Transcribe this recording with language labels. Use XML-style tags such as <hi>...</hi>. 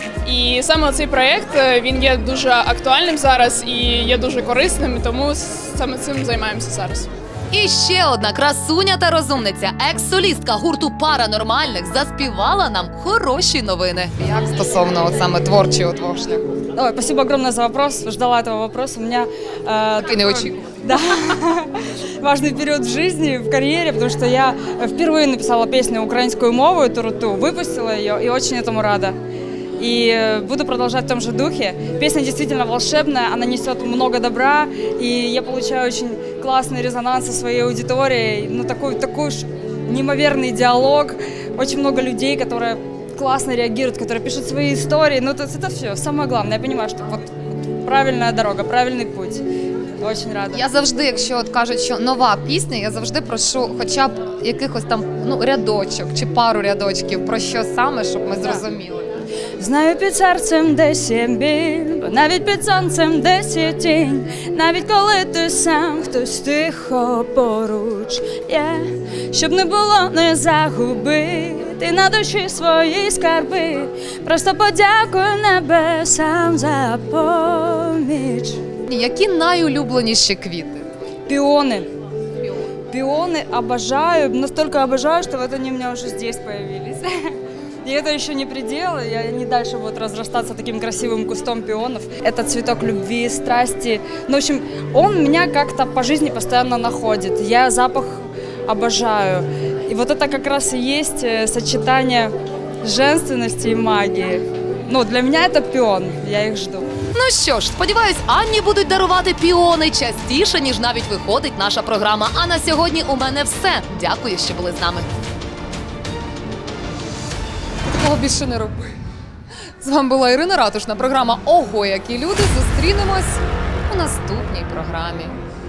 <uk>І саме цей проєкт, він є дуже актуальним зараз і є дуже корисним, тому саме цим займаємося зараз. І ще одна красуня та розумниця, екс-солістка гурту «Паранормальних» заспівала нам хороші новини. Як стосовно от саме творчого шляху?</uk> <ru>Ой, спасибо огромное за вопрос. Ждала этого вопроса. У меня такие неочи. Да. Важный период в жизни, в карьере, потому что я впервые написала песню украинскую мову, «Туруту», выпустила ее и очень этому рада. И буду продолжать в том же духе. Песня действительно волшебная, она несет много добра, и я получаю очень классный резонанс со своей аудиторией. Ну, такой уж неимоверный диалог, очень много людей, которые классно реагируют, которые пишут свои истории. Ну, это все, самое главное. Я понимаю, что вот правильная дорога, правильный путь. Очень рада.</ru> <uk>Я завжди, якщо от кажуть, що нова пісня, я завжди прошу хоча б якихось там, ну, рядочок чи пару рядочків, про що саме, щоб ми зрозуміли. Знаю, під серцем десь біль, навіть під сонцем десь тінь, навіть коли ти сам, хтось тихо поруч є. Щоб не було, не загубити на душі свої скарби, просто подякую небесам за поміч. Які найулюбленіші квіти? Піони. Піони обожаю, настільки обожаю, що вони в мене вже тут з'явилися.</uk> <ru>И это еще не предел, я не дальше буду разрастаться таким красивым кустом пионов. Это цветок любви, страсти. Ну, в общем, он меня как-то по жизни постоянно находит. Я запах обожаю. И вот это как раз и есть сочетание женственности и магии. Ну, для меня это пион, я их жду.</ru> <uk>Ну що ж, сподіваюсь, Анні будуть дарувати піони частіше, ніж навіть виходить наша програма. А на сьогодні у мене все. Дякую, що були з нами. Більше не роби. З вами була Ірина Ратушна, програма «Ого, які люди». Зустрінемось у наступній програмі.</uk>